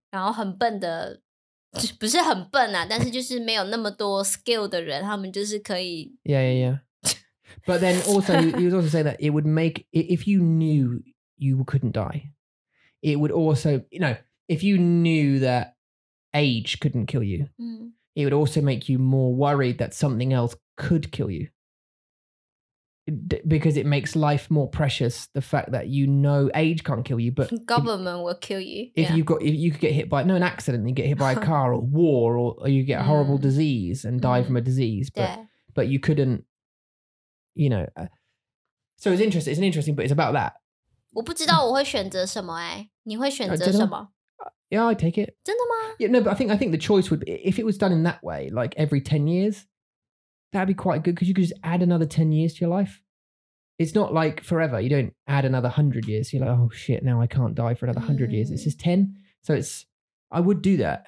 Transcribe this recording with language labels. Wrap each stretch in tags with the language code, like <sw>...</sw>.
<zh>然后很笨的就不是很笨啊但是就是没有那么多 skill 的人他们就是可以</zh> <en>Yeah. But then also, he was also saying that it would make, if you knew you couldn't die, it would also, you know, if you knew that age couldn't kill you, it would also make you more worried that something else could kill you. Because it makes life more precious, the fact that you know age can't kill you, but... Government will kill you. If you've got, if you could get hit by... No, an accident, you get hit by a car or war or you get a horrible disease and die from a disease, but you couldn't, you know... So it's interesting, but it's about that.</en> <zh>我不知道我会选择什么欸。你会选择什么?</zh> <en>Yeah, I take it.</en> <zh>真的吗?</zh> <en>Yeah, no, but I think the choice would be... If it was done in that way, like every 10 years... That'd be quite good because you could just add another 10 years to your life. It's not like forever. You don't add another 100 years. You're like, oh shit, now I can't die for another 100 years. It's just 10. So it's, I would do that.</en>